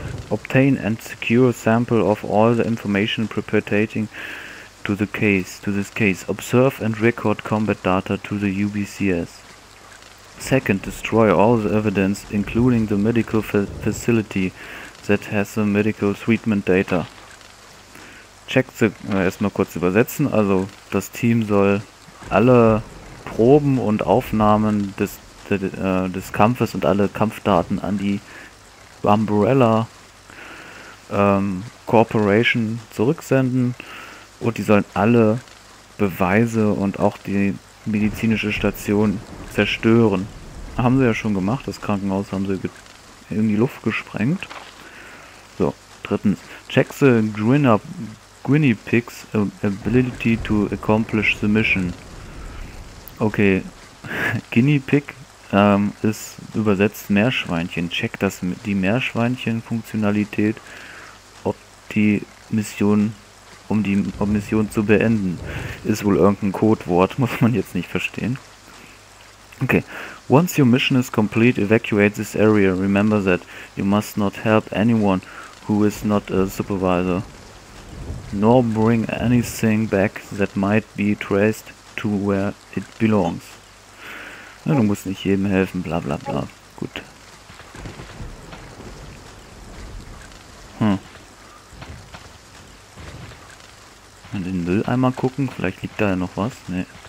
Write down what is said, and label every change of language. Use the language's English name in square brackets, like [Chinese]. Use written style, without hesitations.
[English] Obtain and secure sample of all the information preparating to the case. To this case. Observe and record combat data to the UBCS. Second, destroy all the evidence, including the medical facility that has the medical treatment data. [German] Checkt sie erstmal kurz übersetzen. Also das Team soll alle Proben und Aufnahmen des Kampfes und alle Kampfdaten an die Umbrella Corporation zurücksenden und die sollen alle Beweise und auch die medizinische Station zerstören. Haben sie ja schon gemacht, das Krankenhaus haben sie in die Luft gesprengt. So, drittens, checkt sie [English] Guinea-Pigs ability to accomplish the mission. [German] Okay, Guinea-Pig ist übersetzt Meerschweinchen. Check das die Meerschweinchen-Funktionalität, ob die Mission, um die Mission zu beenden, ist wohl irgendein Codewort, muss man jetzt nicht verstehen. [English] Okay, once your mission is complete, evacuate this area. Remember that you must not help anyone who is not a supervisor. Nor bring anything back that might be traced to where it belongs. [German] Ja, du musst nicht jedem helfen, bla bla bla. Gut. In den Mülleimer gucken, vielleicht liegt da ja noch was. Nee.